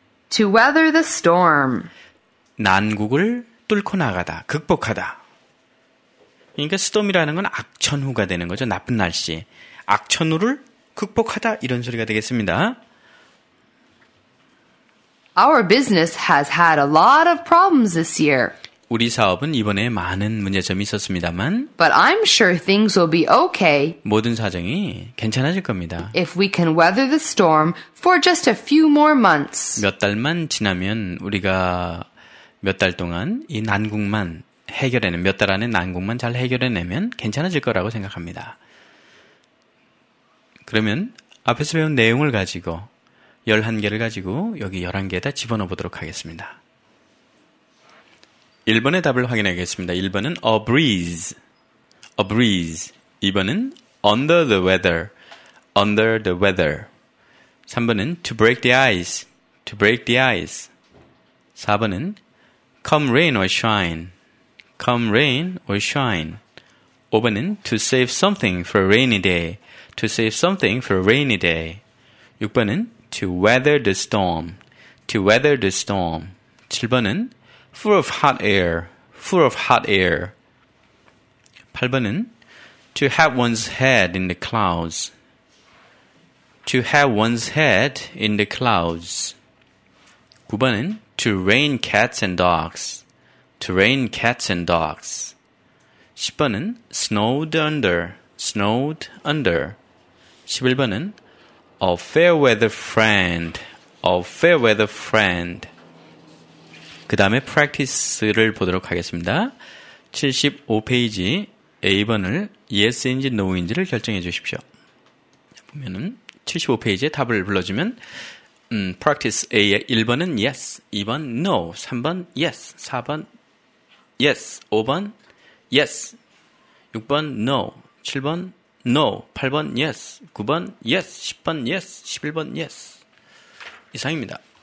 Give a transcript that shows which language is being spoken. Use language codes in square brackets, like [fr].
[en] To weather the storm. [ko] 난국을 뚫고 나가다, 극복하다. 그러니까 storm이라는 건 악천후가 되는 거죠. 나쁜 날씨. 악천후를 극복하다 이런 소리가 되겠습니다. [en] Our business has had a lot of problems this year. [ko] 우리 사업은 이번에 많은 문제점이 있었습니다만 [en] But I'm sure things will be okay. [ko] 모든 사정이 괜찮아질 겁니다. [en] If we can weather the storm for just a few more months. [ko] 몇 달만 지나면 우리가 몇 달 동안 이 난국만 해결해내면 몇 달 안에 난국만 잘 해결해내면 괜찮아질 거라고 생각합니다. 그러면 앞에서 배운 내용을 가지고 11개를 가지고 여기 11개에다 집어넣어 보도록 하겠습니다. 1번의 답을 확인하겠습니다. [en] 1번은 a breeze. A breeze. 2번은 under the weather. Under the weather. 3번은 to break the ice. To break the ice. 4번은 come rain or shine. Come rain or shine. 5번은 to save something for a rainy day. To save something for a rainy day. 6번은 To weather the storm, to weather the storm. 7번은 full of hot air, full of hot air. 8번은 to have one's head in the clouds, to have one's head in the clouds. 9번은 to rain cats and dogs, to rain cats and dogs. 10번은 snowed under, snowed under. 11번은 A fair weather friend, a fair weather friend. [ko] 그 다음에 practice를 보도록 하겠습니다. 75페이지 A번을 yes인지 no인지를 결정해 주십시오. 보면은 75페이지에 답을 불러주면 practice A의 1번은 yes, 2번 no, 3번 yes, 4번 yes, 5번 yes, 6번 no, 7번 No, 8번 yes, 9번 yes, 10번 yes, 11번 yes. 이상입니다.